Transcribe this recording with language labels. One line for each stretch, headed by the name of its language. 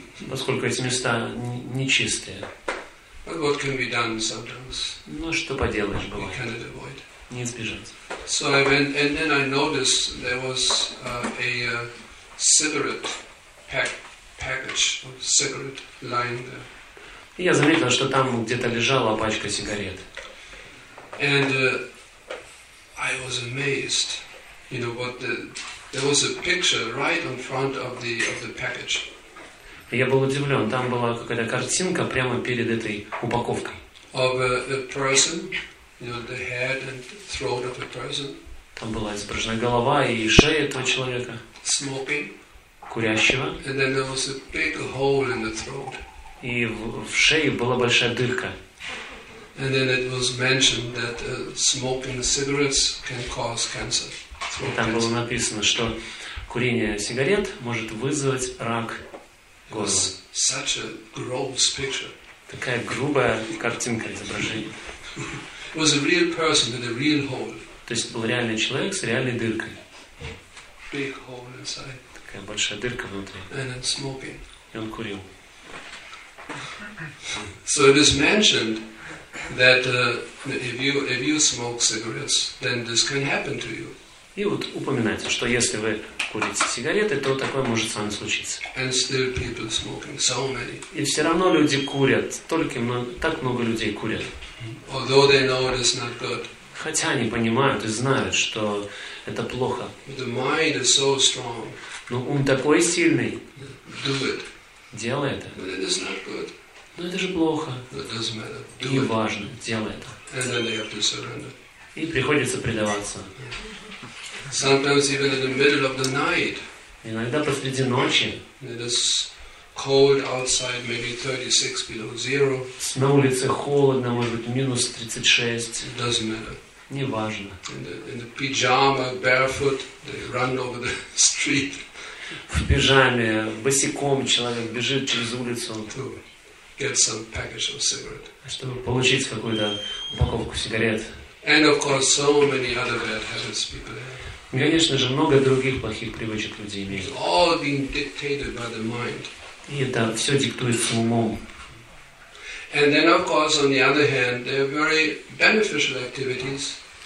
Russian: Поскольку эти места нечистые.
English: But what can be done sometimes?
Russian: Ну что поделаешь, бывает.
English: We cannot avoid.
Russian: Не избежать.
English: So I went, and then I noticed there was a cigarette package of cigarette lying there.
Russian: И я заметил, что там где-то лежала пачка сигарет.
English: And I was amazed, you know, what the there was a picture right in front of the package.
Russian: Я был удивлен, там была какая-то картинка прямо перед этой упаковкой.
English: Of a person, you know, the head and throat of a person.
Russian: Там была изображена голова и шея этого человека.
English: Smoking.
Russian: Курящего.
English: And then there was a big hole in the throat.
Russian: И в шее была большая дырка.
English: And then it was mentioned that smoking cigarettes can cause cancer.
Russian: И там было написано, что курение сигарет может вызвать рак.
English: It was such a gross picture.
Russian: Такая грубая картинка изображения.
English: It was a real person with a real hole.
Russian: То есть был реальный человек с реальной дыркой.
English: Big hole inside.
Russian: Такая большая дырка внутри.
English: And it's smoking.
Russian: И он курил.
English: So it is mentioned that if you smoke cigarettes, then this can happen to you.
Russian: И вот упоминается, что если вы курите сигареты, то такое может с вами случиться.
English: And still people smoking, so many.
Russian: И все равно люди курят, только так много людей курят.
English: Although they know it is not good.
Russian: Хотя они понимают и знают, что это плохо.
English: But the mind is so strong.
Russian: Но ум такой сильный.
English: Do it.
Russian: Делай это.
English: But it is not good.
Russian: Но это же плохо.
English: It doesn't matter. Do
Russian: и важно, делай это.
English: And then they have to surrender.
Russian: И приходится предаваться.
English: Sometimes even in the middle of the night.
Russian: Иногда посреди ночи.
English: It is Cold outside, maybe 36 below zero.
Russian: На улице холодно, может быть, минус 36.
English: It doesn't matter.
Russian: Не важно.
English: In the pajama, barefoot, they run over the street.
Russian: В пижаме, босиком человек бежит через улицу.
English: To get some package of cigarette.
Russian: Чтобы получить какую-то упаковку сигарет.
English: And of course, so many other bad habits people have.
Russian: Конечно же, много других плохих привычек люди имеют. И это все диктуется умом.
English: And then, of course, on the other hand, there are very beneficial activities.